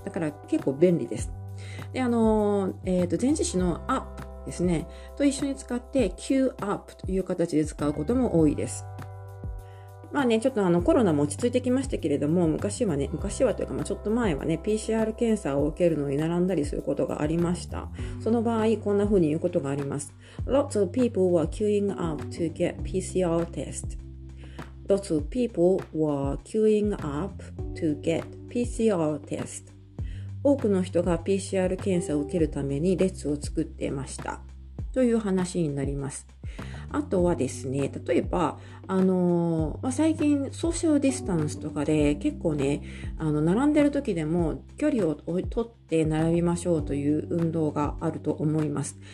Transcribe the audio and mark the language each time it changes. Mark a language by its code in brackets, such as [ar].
[ja] だから結構便利です。で、前置詞の UPですね、と一緒に使って queue up という形で使うことも多いです。まあね、ちょっとコロナも落ち着いてきましたけれども、昔はというか、ちょっと前はね、 PCR 検査を受けるのに並んだりすることがありました。その場合こんな風に言うことがあります。 [en] Lots of people were queuing up to get PCR test. Lots of people were queuing up to get PCR test. [ja] 多くの人が PCR 検査を受けるために列を作ってましたという話になります。あとはですね、例えば最近ソーシャルディスタンスとかで結構ね、並んでる時でも距離を取って並びましょうという運動があると思います。